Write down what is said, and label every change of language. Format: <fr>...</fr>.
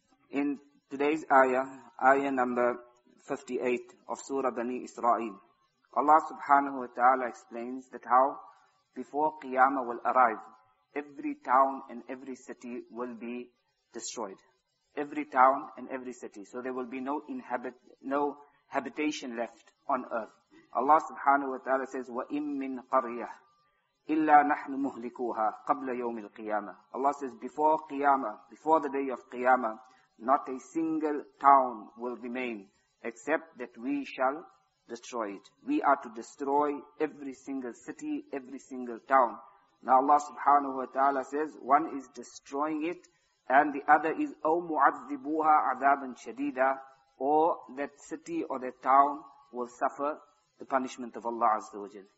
<en>In today's ayah number 58 of Surah Bani Israel, Allah subhanahu wa ta'ala explains that how before Qiyamah will arrive, every town and every city will be destroyed. Every town and every city. So there will be no habitation left on earth. Allah subhanahu wa ta'ala says,</en> <ar>وَإِن مِّن قَرْيَةٍ إِلَّا نَحْنُ مُهْلِكُوهَا قَبْلَ يَوْمِ الْقِيَامَةِ.</ar> <en>Allah says, before Qiyamah, before the day of Qiyamah, not a single town will remain except that we shall destroy it. We are to destroy every single city, every single town. Now Allah subhanahu wa ta'ala says, one is destroying it and the other is</en> <ar>أَوْ مُعَذِّبُوهَا عَذَابًا شَدِيدًا,</ar> <en>or that city or that town will suffer the punishment of Allah Azza wa Jal.</en>